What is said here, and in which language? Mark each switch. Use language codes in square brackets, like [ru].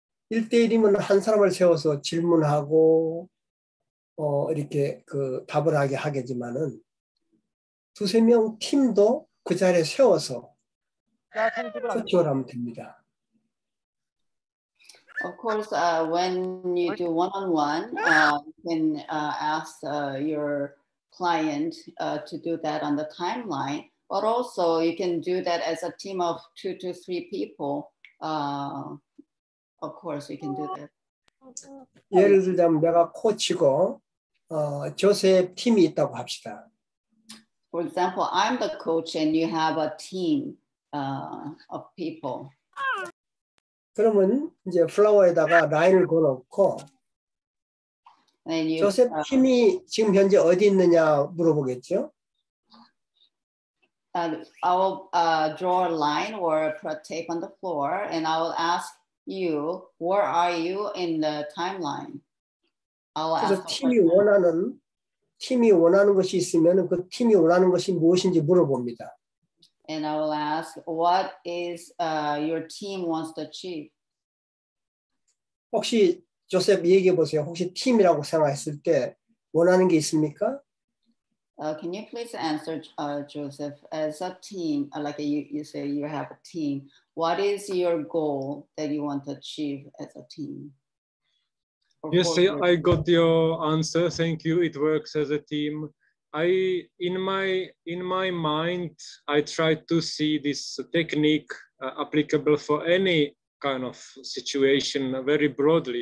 [ko] 1대1이면 한 사람을 세워서 질문하고 이렇게 그 답을 하게 하겠지만은 두세 명 팀도 그 자리에 세워서 코칭을 하면 됩니다. [en] Of course, when you do one-on-one, you can ask your client to do that on the timeline, but also you can do that as a team of 2 to 3 people. Of course, you can do that. [ko] 예를 들자면 내가 코치고 조셉 팀이 있다고 합시다. [en] For example, I'm the coach and you have a team of people. [ko] 그러면 이제 플라워에다가 라인을 그어놓고 조셉 팀이 지금 현재 어디 있느냐 물어보겠죠? [en] I will draw a line or put a tape on the floor and I will ask you, where are you in the timeline? I will ask [ko] 그래서 팀이 원하는, 팀이 원하는 것이 있으면 그 팀이 원하는 것이 무엇인지 물어봅니다. [en] And I will ask, what is your team wants to achieve? [ko] 혹시 조셉 얘기해 보세요. 혹시 팀이라고 생각했을 때 원하는 게 있습니까? [en] Can you please answer, Joseph, as a team, like you say you have a team, what is your goal that you want to achieve as a team? You see, I got your answer. Thank you. It works as a team. In my mind, I try to see this technique applicable for any kind of situation very broadly.